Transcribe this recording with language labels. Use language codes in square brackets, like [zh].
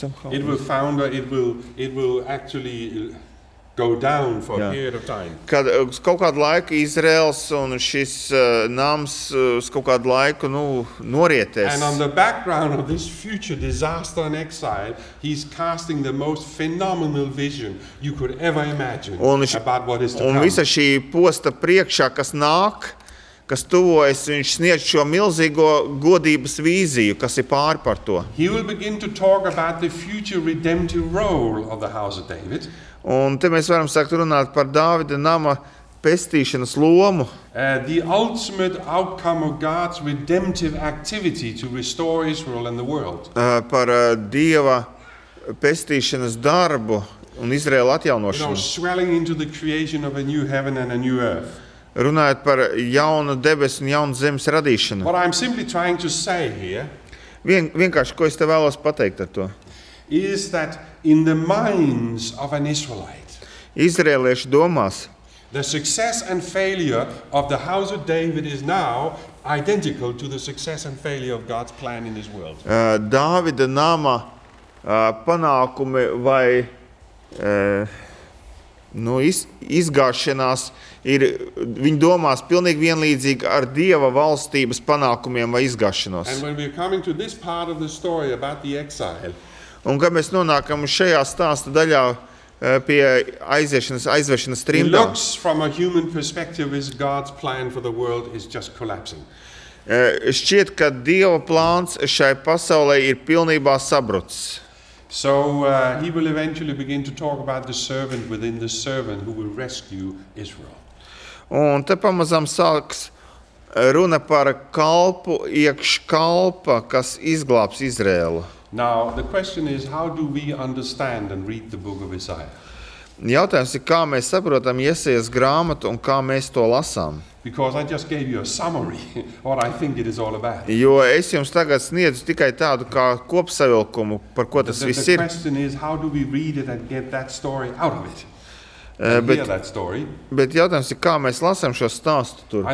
[en] it will founder, it will actually go down for yeah. a period of time. [lv] Kad uz kaut kādu laiku Izraels un šis nams uz kaut kādu laiku, nu, norietēs. [en] And on the background of this future disaster and exile, he's casting the most phenomenal vision you could ever imagine about what is to come. [lv] Un visa šī posta priekšā, kas nāk, kas tuvojas, viņš sniedz šo milzīgo godības vīziju, kas ir pāri par to. [en] He will begin to talk about the future redemptive role of the house of David. [lv] Un te mēs varam sākt runāt par Dāvida nama pestīšanas lomu. [en] The ultimate outcome of God's redemptive activity to restore Israel and the world. [lv] Par Dieva pestīšanas darbu un Izraela atjaunošanu. [en] You know, swelling into the creation of a new heaven and a new earth. [lv] Runājot par jaunu debesu un jaunu zemes radīšanu. [en] What I'm simply trying to say here, [lv] vienkārši, ko es te vēlos pateikt ar to, [en] is that in the minds of an Israelite, [lv] izrēliešu domās, [en] the success and failure of the house of David is now identical to the success and failure of God's plan in his world. [lv] Dāvida nama panākumi vai izgāšanās ir viņi domās pilnīgi vienlīdzīgi ar Dieva valstības panākumiem vai izgāšanos. [en] And when we are coming to this part of the story about the exile. [lv] Un kad mēs nonākam šajā stāsta daļā pie aiziešanas, aizvešanas trimdā. [en] It looks from a human perspective is God's plan for the world is just collapsing. [lv] Šķiet, ka Dieva plāns šai pasaulē ir pilnībā sabruts. [en] So he will eventually begin to talk about the servant within the servant who will rescue Israel. [lv] Un te pamazām sāks runa par kalpu iekš kalpa, kas izglābs Izraēlu. [en] Now the question is how do we understand and read the book of Isaiah? [lv] Jautājums ir, kā mēs saprotam Jesajas grāmatu un kā mēs to lasām. [en] Because I just gave you a summary what I think it is all about. [lv] Jo es jums tagad sniedzu tikai tādu kā kopsavilkumu, par ko tas viss ir. [en] The question is how do we read it and get that story out of it? [lv] Bet jautājums ir, kā mēs lasām šo stāstu tur.